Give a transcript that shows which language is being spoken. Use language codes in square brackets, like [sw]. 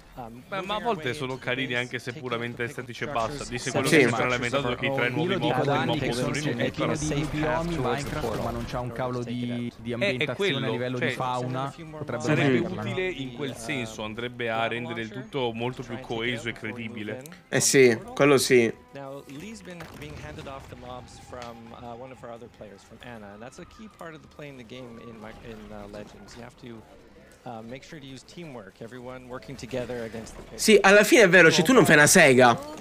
[it] Ma a volte sono carini anche se puramente estetici e basta. Dice quello che sono lamentato che i tre nuovi mob sono inutili. Però Minecraft, ma non c'ha un cavolo di ambientazione a livello di fauna. Sarebbe utile in quel senso, andrebbe a rendere il tutto molto più coeso e credibile. Eh sì, quello sì. [en] Now Lee's been being handed off the mobs from one of our other players, from Anna, and that's a key part of the playing the game in Legends. You have to make sure to use teamwork, everyone working together against the pig. [it] Sì, alla fine è vero, cioè tu non fai una sega.